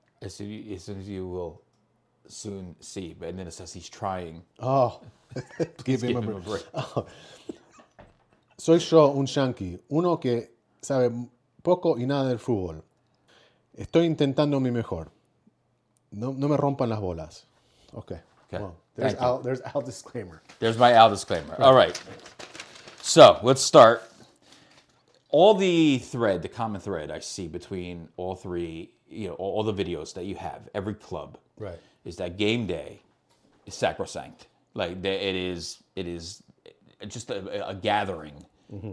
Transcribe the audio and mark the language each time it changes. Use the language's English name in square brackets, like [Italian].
[English] As soon as you will soon see. But, and then it says he's trying. Oh. give him a break. [Spanish] Soy yo, un yankee, uno que sabe poco y nada del fútbol. Estoy intentando mi mejor. No me rompan las bolas. Okay. [English] Okay. Well, there's Al disclaimer. There's my Al disclaimer. All right. So let's start. All the thread, the common thread I see between all three, you know, all the videos that you have, every club, right, is that game day is sacrosanct. Like it is just a gathering mm-hmm.